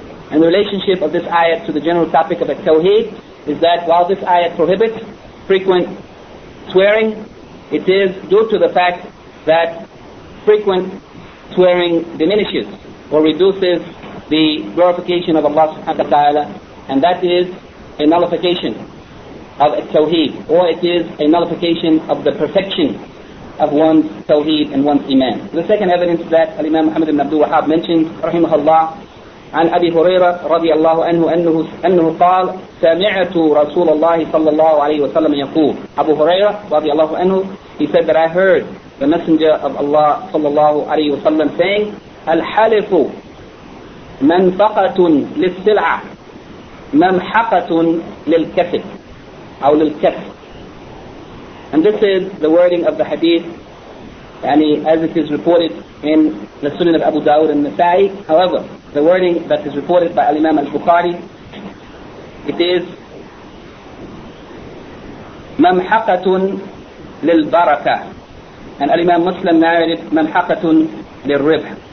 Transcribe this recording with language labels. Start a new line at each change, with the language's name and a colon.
English: And the relationship of this ayat to the general topic of the tawheed is that while this ayat prohibits frequent swearing, it is due to the fact that frequent swearing diminishes or reduces the glorification of Allah subhanahu wa ta'ala, and that is a nullification of the tawheed, or it is a nullification of the perfection of one's tawheed and one's iman. The second evidence that Imam Muhammad ibn Abdul Wahhab mentioned, rahimahullah,
Arabic: عن أبي هريرة رضي الله عنه أنه قال سمعت رسول الله صلى الله عليه وسلم يقول أبو هريرة رضي الله عنه
English: he said that I heard the messenger of Allah
Arabic: صلى الله عليه وسلم
English: saying
Arabic: الحلف منفقة للسلعة ممحقة للكسب أو للكسب.
English: And this is the wording of the hadith, يعني as it is reported in the Sunan of Abu Dawud and Nasa'i. However, the wording that is reported by Al-Imam Al-Bukhari, it is
Arabic: مَمْحَقَةٌ لِلْبَرَكَةِ,
English: and Al-Imam Muslim narrated
Arabic: مَمْحَقَةٌ لِلْرِبْحِ.